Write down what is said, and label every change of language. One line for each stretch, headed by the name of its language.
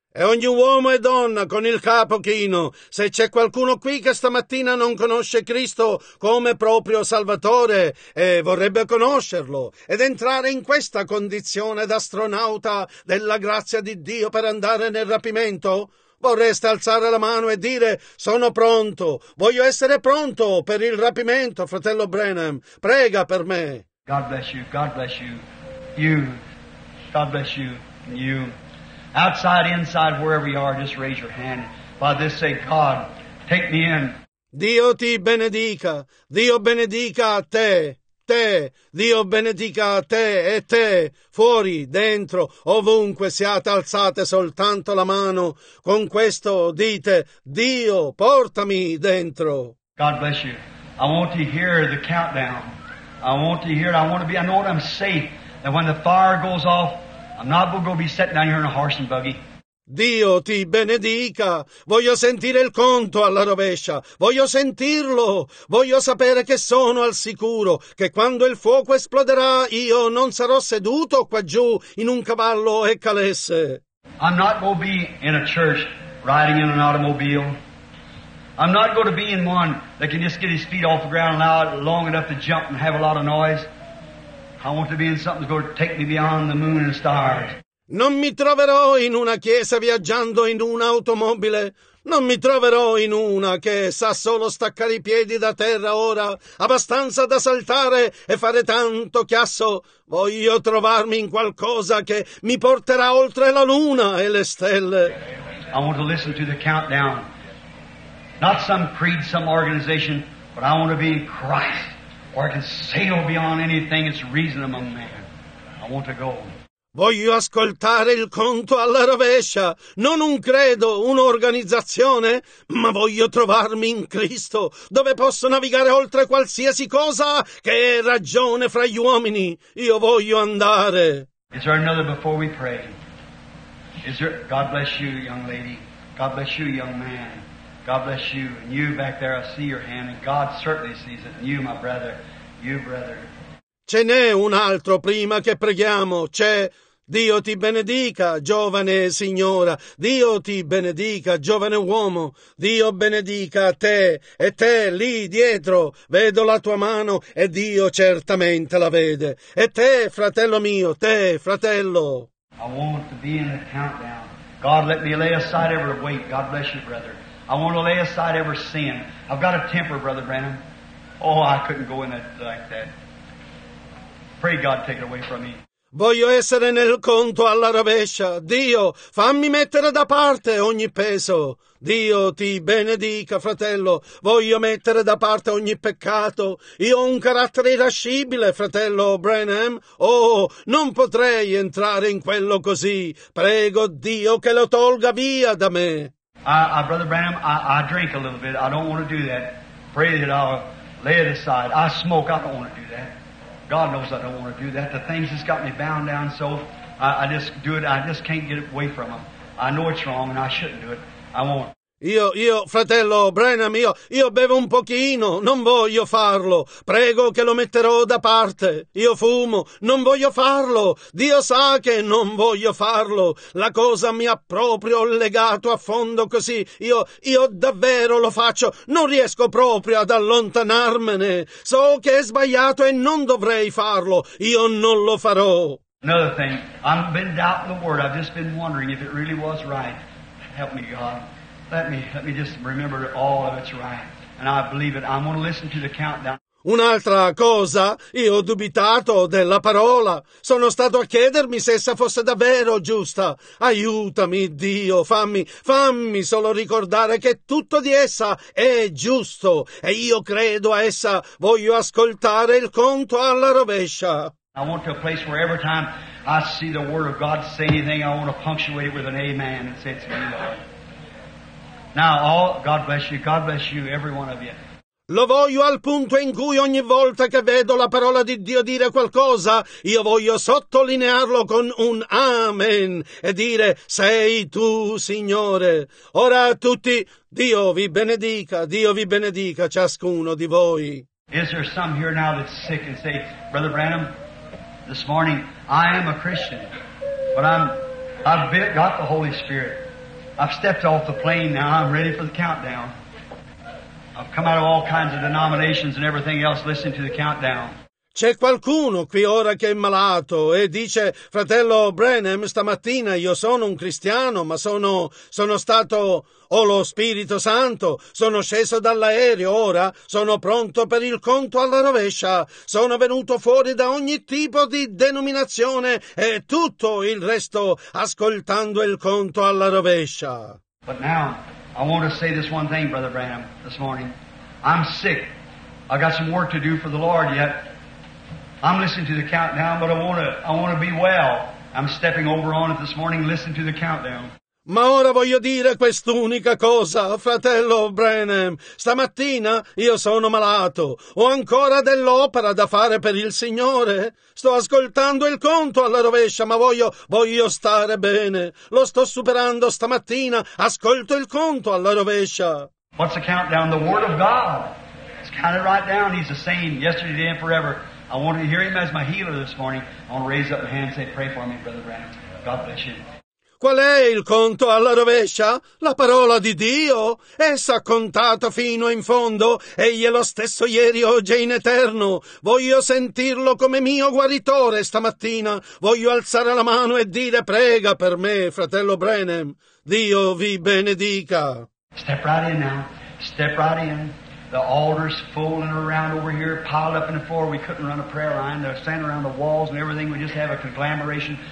Italian: E ogni uomo e donna con il capo chino, se c'è qualcuno qui che stamattina non conosce Cristo come proprio Salvatore e vorrebbe conoscerlo ed entrare in questa condizione d'astronauta della grazia di Dio per andare nel rapimento, vorreste alzare la mano e dire, sono pronto, voglio essere pronto per il rapimento, fratello Branham, prega per me.
English: God bless you, God bless you, you, God bless you, you. Outside, inside, wherever you are, just raise your hand. Father, say, God, take me in.
Italian: Dio ti benedica. Dio benedica a te. Te. Dio benedica a te e te. Fuori, dentro, ovunque siate, alzate soltanto la mano. Con questo dite, Dio, portami dentro.
English: God bless you. I want to hear the countdown. I want to hear it. I want to be, I know that I'm safe. That when the fire goes off, I'm not going to be sitting down here in a horse and buggy.
Italian: Dio ti benedica. Voglio sentire il conto alla rovescia. Voglio sentirlo. Voglio sapere che sono al sicuro, che quando il fuoco esploderà io non sarò seduto qua giù in un cavallo e calesse.
English: I'm not going to be in a church riding in an automobile. I'm not going to be in one that can just get his feet off the ground and out long enough to jump and have a lot of noise. I want to be in something that's going to take me beyond the moon and stars.
Italian: Non mi troverò in una chiesa viaggiando in un'automobile. Non mi troverò in una che sa solo staccare i piedi da terra ora, abbastanza da saltare e fare tanto chiasso. Voglio trovarmi in qualcosa che mi porterà oltre la luna e le stelle.
English: I want to listen to the countdown. Not some creed, some organization, but I want to be in Christ. Or I can sail beyond anything that's reason among man. I want to go.
Italian: Voglio ascoltare il conto alla rovescia. Non un credo, un'organizzazione, ma voglio trovarmi in Cristo, dove posso navigare oltre qualsiasi cosa che è ragione fra gli uomini. Io voglio andare.
English: Is there another before we pray? Is there? God bless you, young lady. God bless you, young man. God bless you, and you back there, I see your hand, and God certainly sees it, and you, my brother, you, brother.
Italian: Ce n'è un altro prima che preghiamo, c'è. Dio ti benedica, giovane signora, Dio ti benedica, giovane uomo, Dio benedica te, e te lì dietro, vedo la tua mano, e Dio certamente la vede, e te, fratello mio, te, fratello.
English: I want to be in the countdown. God, let me lay aside every weight. God bless you, brother. I want to lay aside every sin. I've got a temper, Brother Branham. Oh, I couldn't go in that like that. Pray God take it away from me.
Italian: Voglio essere nel conto alla rovescia. Dio, fammi mettere da parte ogni peso. Dio ti benedica, fratello. Voglio mettere da parte ogni peccato. Io ho un carattere irascibile, fratello Branham. Oh, non potrei entrare in quello così. Prego Dio che lo tolga via da me.
English: Brother Branham, I drink a little bit. I don't want to do that. Pray that I'll lay it aside. I smoke. I don't want to do that. God knows I don't want to do that. The things that's got me bound down so, I just do it. I just can't get away from them. I know it's wrong and I shouldn't do it. I won't.
Italian: Io, fratello Branham, io bevo un pochino, non voglio farlo. Prego che lo metterò da parte. Io fumo, non voglio farlo. Dio sa che non voglio farlo. La cosa mi ha proprio legato a fondo così. Io davvero lo faccio. Non riesco proprio ad allontanarmene. So che è sbagliato e non dovrei farlo. Io non lo farò.
English: Another thing, I've been doubting the word. I've just been wondering if it really was right. Help me, God. Let me just remember all of it's right. And I believe it. I'm going to listen to the countdown.
Italian: Un'altra cosa, io ho dubitato della parola. Sono stato a chiedermi se essa fosse davvero giusta. Aiutami, Dio, fammi solo ricordare che tutto di essa è giusto. E io credo a essa. Voglio ascoltare il conto alla rovescia.
English: I want to a place where every time I see the Word of God say anything, I want to punctuate it with an amen and say it's me, Lord. Now, all, God bless you, every one of you.
Italian: Lo voglio al punto in cui ogni volta che vedo la parola di Dio dire qualcosa, io voglio sottolinearlo con un amen e dire sei tu, Signore. Ora a tutti, Dio vi benedica ciascuno di voi.
English: Is there some here now that's sick and say, Brother Branham, this morning I am a Christian, but I've got the Holy Spirit. I've stepped off the plane now, I'm ready for the countdown. I've come out of all kinds of denominations and everything else listening to the countdown.
Italian: C'è qualcuno qui ora che è malato e dice, fratello Branham, stamattina io sono un cristiano, ma sono stato lo Spirito Santo, sono sceso dall'aereo, ora sono pronto per il conto alla rovescia, sono venuto fuori da ogni tipo di denominazione e tutto il resto ascoltando il conto alla rovescia.
English: But now, I want to say this one thing, Brother Branham, this morning. I'm sick. I got some work to do for the Lord yet. I'm listening to the countdown, but I want to be well. I'm stepping over on it this morning, listen to the countdown.
Italian: Ma ora voglio dire quest'unica cosa, fratello Branham. Stamattina io sono malato. Ho ancora dell'opera da fare per il Signore. Sto ascoltando il conto alla rovescia, ma voglio stare bene. Lo sto superando stamattina. Ascolto il conto alla rovescia.
English: What's the countdown? The Word of God. It's counted right down. He's the same yesterday, today, and forever. I want to hear him as my healer this morning. I want to raise up my hand and say, pray for me, Brother Branham. God bless you.
Italian: Qual è il conto alla rovescia? La parola di Dio. Essa ha contato fino in fondo. Egli è lo stesso ieri, oggi e in eterno. Voglio sentirlo come mio guaritore stamattina. Voglio alzare la mano e dire prega per me, fratello Branham. Dio vi benedica.
English: Step right in now. Step right in. The altar's fooling around over here, piled up in the floor. We couldn't run a prayer line. They're standing around the walls and everything. We just have a conglomeration.